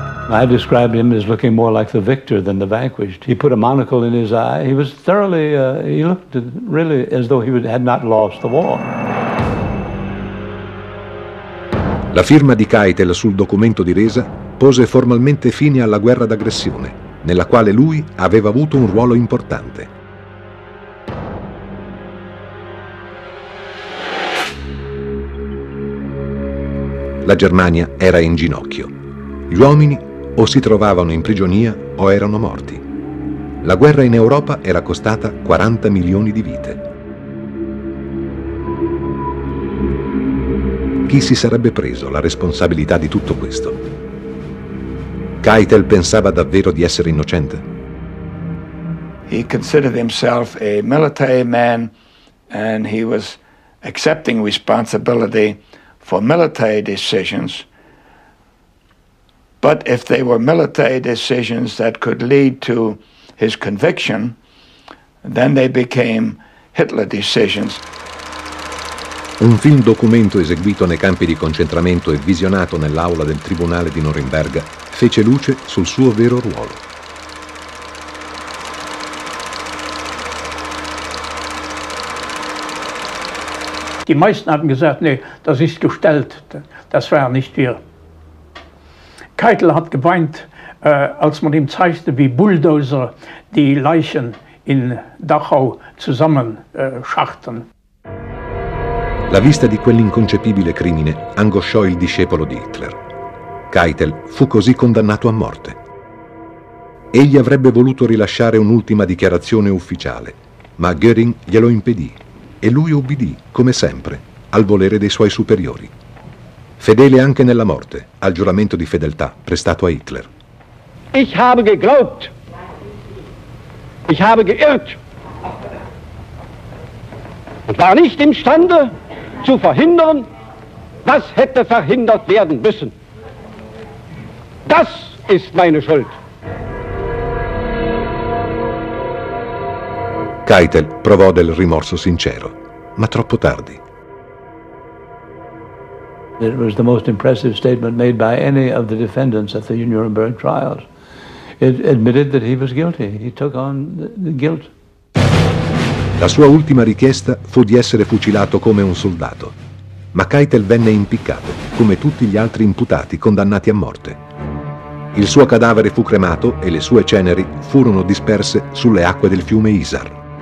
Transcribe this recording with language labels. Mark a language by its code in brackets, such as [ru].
[en] I described him as looking more like the victor than the vanquished. He put a monocle in his eye. He was thoroughly, he looked really as though he had not lost the war. [it] La firma di Keitel sul documento di resa pose formalmente fine alla guerra d'aggressione, nella quale lui aveva avuto un ruolo importante. La Germania era in ginocchio. Gli uomini o si trovavano in prigionia o erano morti. La guerra in Europa era costata 40 milioni di vite. Chi si sarebbe preso la responsabilità di tutto questo? Keitel pensava davvero di essere innocente? [en] He considered himself a military man and he was accepting responsibility for military decisions, but if they were military decisions that could lead to his conviction, then they became Hitler decisions. [it] Un film documento eseguito nei campi di concentramento e visionato nell'aula del tribunale di Norimberga fece luce sul suo vero ruolo. [de] Die meisten haben gesagt, nee, das ist gestellt, das war nicht wir. Keitel hat geweint, als man ihm zeigte, wie Bulldozer die Leichen in Dachau zusammenschachten. [it] La vista di quell'inconcepibile crimine angosciò il discepolo di Hitler. Keitel fu così condannato a morte. Egli avrebbe voluto rilasciare un'ultima dichiarazione ufficiale, ma Göring glielo impedì e lui obbedì, come sempre, al volere dei suoi superiori. Fedele anche nella morte al giuramento di fedeltà prestato a Hitler. [de] Ich habe geglaubt. Ich habe geirrt. Und war nicht imstande zu verhindern, was hätte verhindert werden müssen. Das ist meine Schuld. [it] Keitel provò del rimorso sincero, ma troppo tardi. [en] It was the most impressive statement made by any of the defendants at the Nuremberg trials. It admitted that he was guilty. He took on the guilt. [it] La sua ultima richiesta fu di essere fucilato come un soldato, ma Keitel venne impiccato, come tutti gli altri imputati condannati a morte. Il suo cadavere fu cremato e le sue ceneri furono disperse sulle acque del fiume Isar.